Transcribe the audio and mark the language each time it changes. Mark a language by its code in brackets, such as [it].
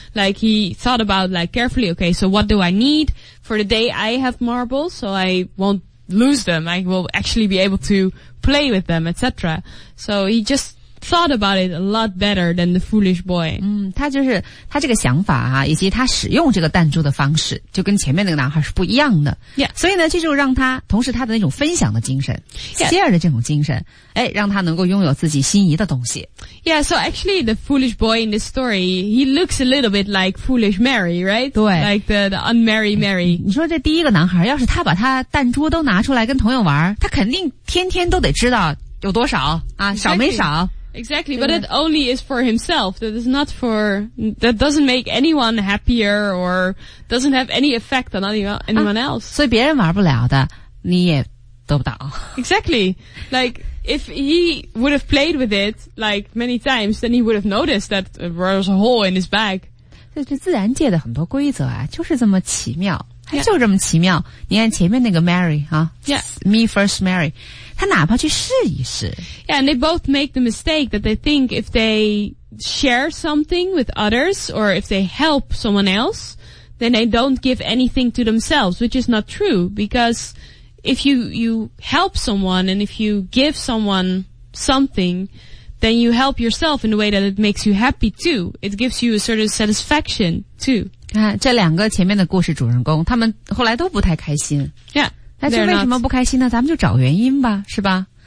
[en] Like he thought about like carefully, okay, so what do I need for the day I have marbles so I won't lose them, I will actually be able to play with them, etc. So he just thought about it a lot better than the foolish boy. [zh] 嗯，他就是他这个想法啊，以及他使用这个弹珠的方式，就跟前面那个男孩是不一样的。 [en] Yeah. [zh] 所以呢，这就让他同时他的那种分享的精神 [en] ，share [zh] 的这种精神，哎，让他能够拥有自己心仪的东西。 [en] Yeah. So actually, the foolish boy in this story, he looks a little bit like foolish Mary, right? [zh] 对 [en] ，like the unmarried Mary. [zh] 你说这第一个男孩，要是他把他弹珠都拿出来跟朋友玩，他肯定天天都得知道有多少啊，少没少。 [en] Exactly, but it only is for himself. That is not for, that doesn't make anyone happier or doesn't have any effect on anyone else. [zh] 所以别人玩不了的，你也得不到。 [en] Exactly. Like, if he would have played with it, like, many times, then he would have noticed that there was a hole in his bag. [zh] 这自然界的很多规则啊，就是这么奇妙。 Yeah. 就这么奇妙，你看前面那个 Mary 啊、 [en] yeah. Me [zh] first Mary， 他哪怕去试一试 [en] ，Yeah， and they both make the mistake that they think if they share something with others or if they help someone else， then they don't give anything to themselves， which is not true， because if you help someone and if you give someone something， then you help yourself in a way that it makes you happy too， it gives you a certain satisfaction too。 [zh] 看这两个前面的故事主人公，他们后来都不太开心。 [en] Yeah， [zh] 但是为什么不开心呢？咱们就找原因吧，是吧？